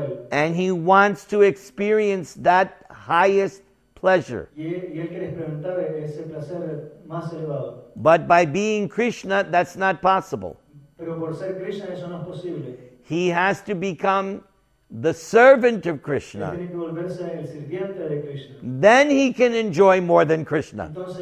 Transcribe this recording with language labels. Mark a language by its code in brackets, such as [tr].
[en] And he wants to experience that highest pleasure. [es] Y él quiere experimentar ese placer más elevado. [en] But by being Krishna, that's not possible. [es] Pero por ser Krishna, eso no es posible. [en] He has to become the servant of Krishna. Then he can enjoy more than Krishna.